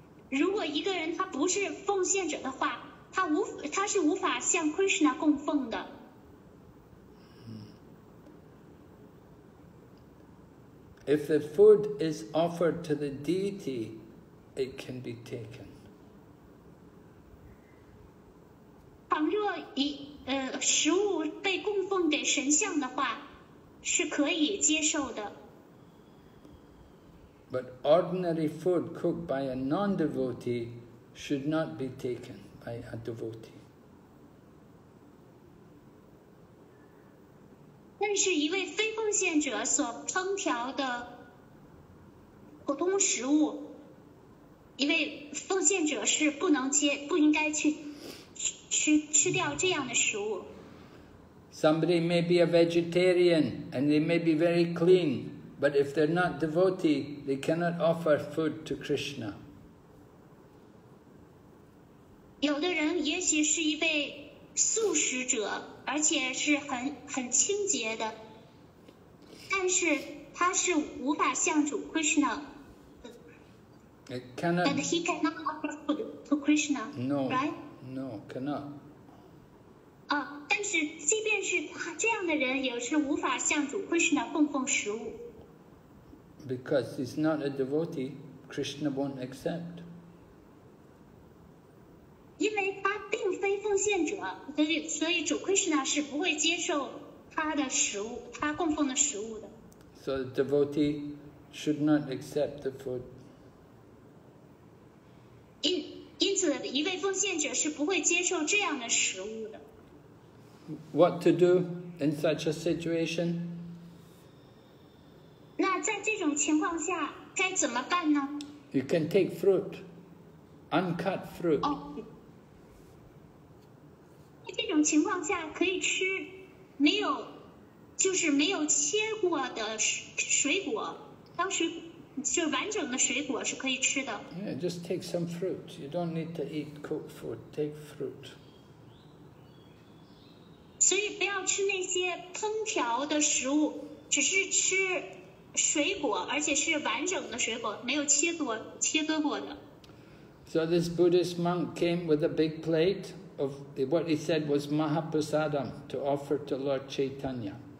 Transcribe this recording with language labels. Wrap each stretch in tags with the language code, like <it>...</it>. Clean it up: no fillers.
<zh>如果一个人他不是奉献者的话，他是无法向 Krishna 供奉的。</zh> <en>If the food is offered to the deity, it can be taken.</en> <zh>倘若食物被供奉给神像的话，是可以接受的。</zh> <en>But ordinary food cooked by a non-devotee should not be taken by a devotee.</en> <zh>但是一位非奉献者所烹调的普通食物，一位奉献者是不能接，不应该去吃掉这样的食物。</zh> <en>Somebody may be a vegetarian and they may be very clean, but if they're not devotee, they cannot offer food to Krishna.</en> <zh>有的人也许是一位素食者，而且是很清洁的，但是他是无法向主 Krishna.</zh> <en>It cannot. And he cannot offer food to Krishna. No. Right? No, cannot.</en> <zh>啊，但是即便是这样的人，也是无法向主 Krishna 供奉食物。</zh> <en>Because he's not a devotee, Krishna won't accept.</en> <zh>因为他并非奉献者，所以主 Krishna 是不会接受他的食物，他供奉的食物的。</zh> <en>So the devotee should not accept the food.</en> <zh>因此，一位奉献者是不会接受这样的食物的。</zh> <en>What to do in such a situation?</en> <zh>那在这种情况下该怎么办呢？</zh> <en>You can take fruit, uncut fruit.</en> <zh>在这种情况下可以吃没有，就是没有切过的水果，当时就完整的水果是可以吃的。</zh> <en>Yeah, just take some fruit. You don't need to eat cooked food. Take fruit.</en> <zh>所以不要吃那些烹调的食物，只是吃水果，而且是完整的水果，没有切割过的。</zh> <en>So this Buddhist monk came with a big plate of what he said was Mahaprasadam to offer to Lord Chaitanya.</en>